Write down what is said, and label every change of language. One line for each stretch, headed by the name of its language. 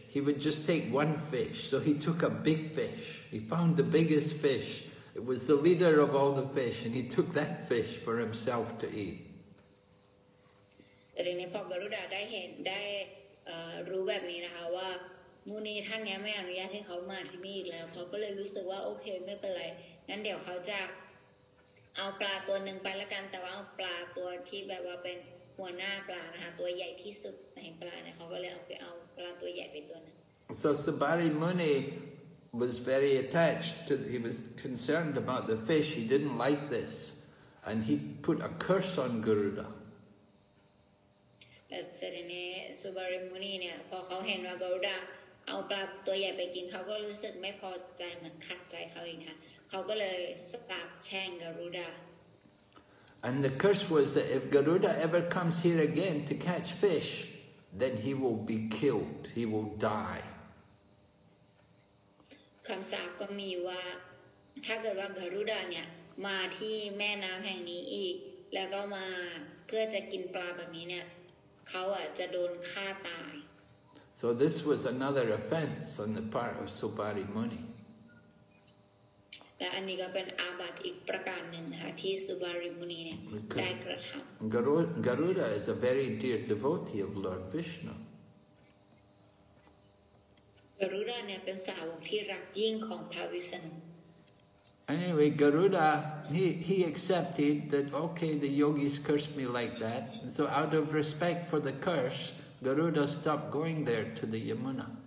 English: He would just take one fish. So he took a big fish. He found the biggest fish. It was the leader of all the fish, and he took that fish for himself to eat.
Thai: แต่ในพอ Garuda ได้เห็นได้รู้แบบนี้นะคะว่ามุนีท่านนี้ไม่อนุญาตให้เขามาที่นี่อีกแล้วเขาก็เลยรู้สึกว่าโอเคไม่เป็นไรงั้นเดี๋ยวเขาจะเอาปลาตัวหนึ่งไปแล้วกันแต่ว่าเอาปลาตัวที่แบบว่าเป็นหัวหน้าปลานะคะตัวใหญ่ที่สุดในปลาเนี่ยเขาก็เลยเอาปลาตัวใหญ่ไปตัวนึง
English: So Sobari Muni was very attached to he was concerned about the fish he didn't like this and he put a curse on Garuda
Thai: แต่ Sobari Muni เนี่ยพอเขาเห็นว่า Garuda เอาปลาตัวใหญ่ไปกินเขาก็รู้สึกไม่พอใจเหมือนขัดใจเขาเองค่ะเขาก็เลยสาปแช่ง Garuda
English: And the curse was that if Garuda ever comes here again to catch fish then he will be killed he will die
Thai: คำสาปก็มีว่าถ้าเกิดว่า Garuda เนี่ยมาที่แม่น้ำแห่งนี้อีกแล้วก็มาเพื่อจะกินปลาแบบนี้เนี่ยเขาอ่ะจะโดนฆ่าตาย
English: So this was another offense on the part of Sobari Muni
Thai: และอันนี้ก็เป็นอาบัติอีกประการหนึ่งนะคะที่สุบาริมุนีเนี่ยได้กระทำ
English: Garuda is a very dear devotee of Lord Vishnu
Thai: Garuda เนี่ยเป็นสาวกที่รักยิ่งของพระวิษณุ
English: Anyway, Garuda, he accepted that, okay, the yogis cursed me like that. And so out of respect for the curse, Garuda stopped going there to the Yamuna.